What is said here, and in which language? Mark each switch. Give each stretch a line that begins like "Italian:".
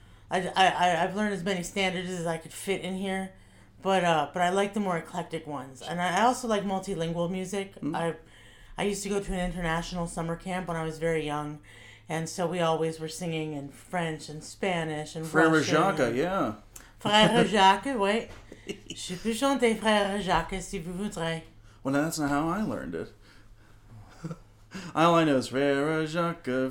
English: I've learned as many standards as I could fit in here, but I like the more eclectic ones. And I also like multilingual music. Mm-hmm. I used to go to an international summer camp when I was very young, and so we always were singing in French and Spanish and
French: Frère
English: Russian. Jacques, and, yeah. Frère Jacques, wait.
French: Je peux chanter Frère Jacques si vous voudrez.
English: Well, that's not how I learned it. All I know is Frère Jacques,